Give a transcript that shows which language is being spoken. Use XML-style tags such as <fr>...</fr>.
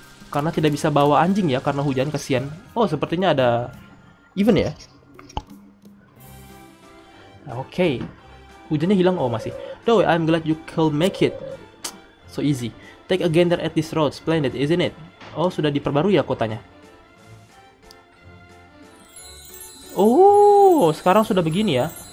<id>Karena tidak bisa bawa anjing ya, karena hujan, kasihan. Oh, sepertinya ada event ya? Oke. Hujannya hilang, oh masih.</id> <en>Though, I'm glad you could make it. So easy. Take a gander at this road. Splendid, isn't it?</en> <id>Oh, sudah diperbarui ya kotanya. Oh, sekarang sudah begini ya.</id>